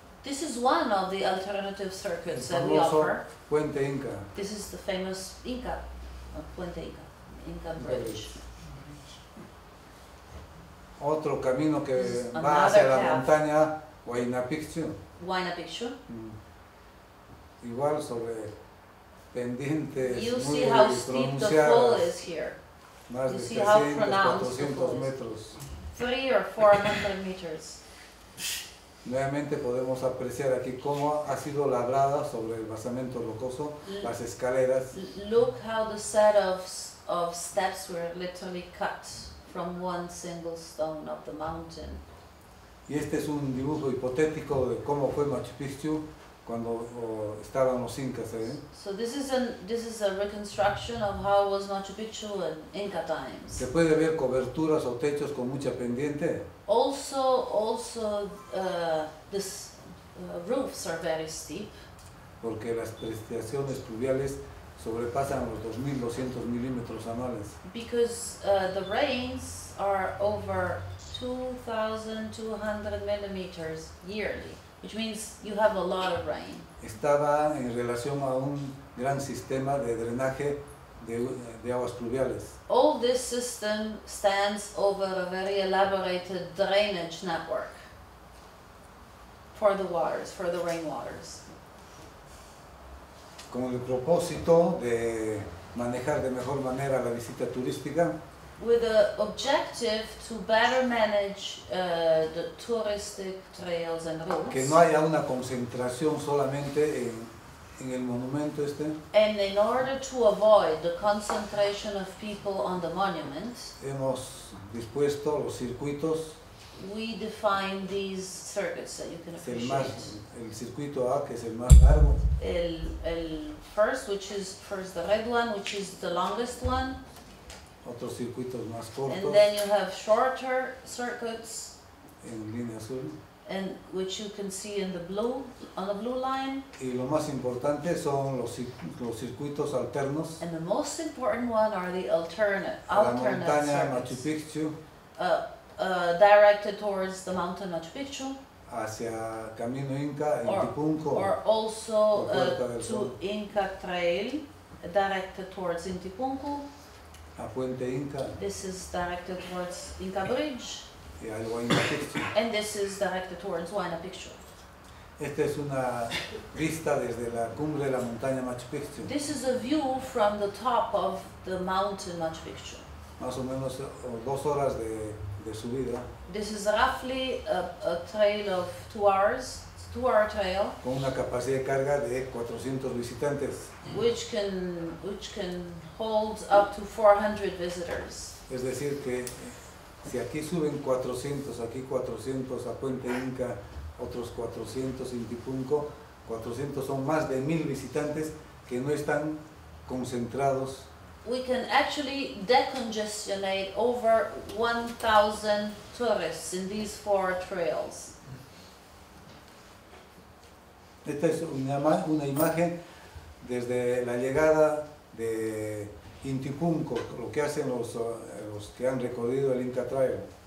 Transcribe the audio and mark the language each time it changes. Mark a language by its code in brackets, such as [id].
[en] This is one of the alternative circuits that we offer. [es] Puente Inca. [en] This is the famous Inca, Puente Inca, Inca Bridge. [es] Otro camino que va hacia la montaña, Huayna Picchu. Huayna Picchu. Igual sobre pendientes [en] you [es] muy [en] see how steep the fall is here. [es] Más [en] you [es] de [en] see how pronounced [es] 400 metros. [en] 300 or 400 meters. [es] Nuevamente podemos apreciar aquí cómo ha sido labrada sobre el basamento rocoso, las escaleras. [en] Look how the set of steps were literally cut from one single stone of the mountain. [es] Y este es un dibujo hipotético de cómo fue Machu Picchu cuando estaban los incas ahí. [en] So this is a reconstruction of how was Machu Picchu in Inca times. [es] Se puede ver coberturas o techos con mucha pendiente. [en] Also, these roofs are very steep. [es] Porque las precipitaciones pluviales sobrepasan los 2,200 milímetros anuales. [en] Because the rains are over 2,200 millimeters yearly, which means you have a lot of rain. [es] Estaba en relación a un gran sistema de drenaje de aguas pluviales. [en] All this system stands over a very elaborated drainage network for the waters, for the rainwaters. [es] Con el propósito de manejar de mejor manera la visita turística. [en] With the objective to better manage the touristic trails and routes. [es] Que no haya una concentración solamente en el monumento este. [en] And in order to avoid the concentration of people on the monument. [es] Hemos dispuesto los circuitos. [en] We define these circuits that you can appreciate. [es] El circuito A, que es el más largo. [en] El first, the red one, which is the longest one. [es] Otros circuitos más cortos. [en] And then you have shorter circuits. [es] En línea azul. [en] And which you can see in the blue, on the blue line. [es] Y lo más importante son los circuitos alternos. [en] And the most important one are the alternate [es] circuits. La montaña [en] circuits. [es] Machu Picchu. [en] Directed towards the mountain Machu Picchu. [es] Hacia Camino Inca en Intipunco. [en] Or also to Inca Trail, directed towards Intipunco. [es] A Puente Inca. [en] This is directed towards Inca Bridge. [es] Y al Huayna Picchu. [en] And this is directed towards Huayna Picchu. [es] Esta es una vista desde la cumbre de la montaña Machu Picchu. [en] This is a view from the top of the mountain Machu Picchu. [es] Más o menos dos horas de subida. [en] This is roughly a trail of 2 hours. It's a 2 hour trail. [es] Con una capacidad de carga de 400 visitantes. [en] Which can hold up to 400 visitors. [es] Es decir que si aquí suben 400, aquí 400 a Puente Inca, otros 400 en Intipunco, 400 son más de 1,000 visitantes que no están concentrados. [en] We can actually decongestionate over 1,000 tourists in these 4 trails. [es] Esta es una imagen desde la llegada de Intipunco, lo que hacen los que han recorrido el Inca Trail.